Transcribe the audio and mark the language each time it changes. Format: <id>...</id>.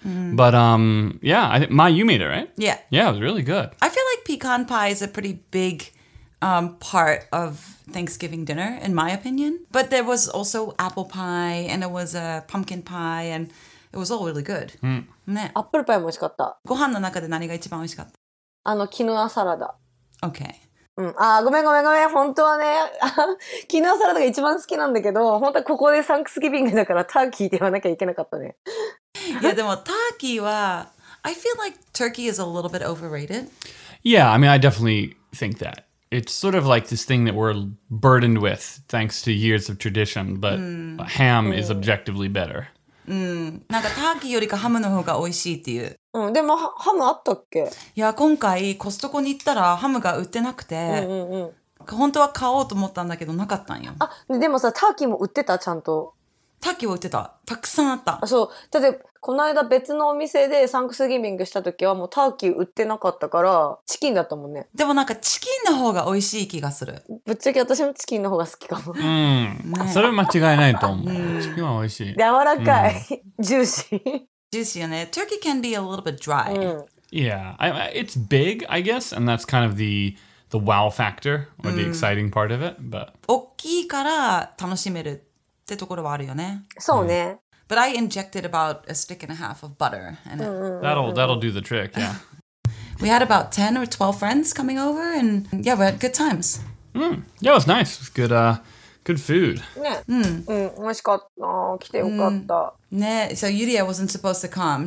<en>Mm. But yeah, Mai, you made it, right? Yeah. Yeah, it was really good. I feel like pecan pie is a pretty big part of Thanksgiving dinner, in my opinion. But there was also apple pie, and there was a pumpkin pie, and it was all really good. Mm.</en> <ja>ね、apple pie も美味しかった。ご飯の中で何が一番美味しかった？あの、キヌアサラダ。</ja> <en>Okay.</en> <ja>うん、あ、ごめんごめんごめん、本当はね、昨日サラダが一番好きなんだけど、本当はここでサンクスギビングだからターキーって言わなきゃいけなかったね。いやでもターキーは、</ja> <en>I feel like turkey is a little bit overrated. Yeah, I mean, I definitely think that. It's sort of like this thing that we're burdened with thanks to years of tradition, but、うん、ham、うん、is objectively better.</en> <ja>うん、なんかターキーよりかハムの方が美味しいっていう。うん、でもハムあったっけ？いや、今回コストコに行ったらハムが売ってなくて、うんうんうん、本当は買おうと思ったんだけどなかったんよ。あ、でもさ、ターキーも売ってた、ちゃんと。ターキーは売ってた。たくさんあった。あ、そう。だって、この間別のお店でサンクスギビングした時はもうターキー売ってなかったから、チキンだったもんね。でもなんかチキンの方が美味しい気がする。ぶっちゃけ私もチキンの方が好きかも。うん。ね、それは間違いないと思う。チキンは美味しい。柔らかい。うん、ジューシー。</ja> <en>Juicy, you know? Turkey can be a little bit dry. Mm. Yeah, it's big, I guess, and that's kind of the wow factor or the exciting part of it. But</en> <ja>大きいから楽しめるってところはあるよね。そうね。</ja> <en>But I injected about a stick and a half of butter, and that'll do the trick. Yeah. We had about 10 or 12 friends coming over, and yeah, we had good times. Mm. Yeah, it was nice. It was good. Good food. Yeah. Mm. So Yuria wasn't supposed to come.</en>